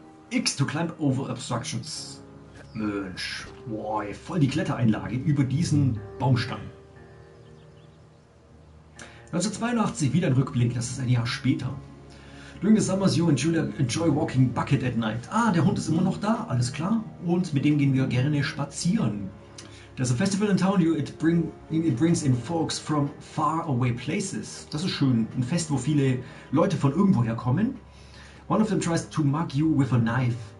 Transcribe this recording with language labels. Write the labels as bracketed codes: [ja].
[en] X to climb over obstructions. [de] Mensch. Boah, voll die Klettereinlage über diesen Baumstamm. 1982, wieder ein Rückblick, das ist ein Jahr später. [en] During the summers, you and Julia enjoy walking Bucket at night. [de] Ah, der Hund ist immer noch da, alles klar. Und mit dem gehen wir gerne spazieren. [en] There's a festival in town, it brings in folks from far away places. [de] Das ist schön, ein Fest, wo viele Leute von irgendwoher kommen. [en] One of them tries to mug you with a knife.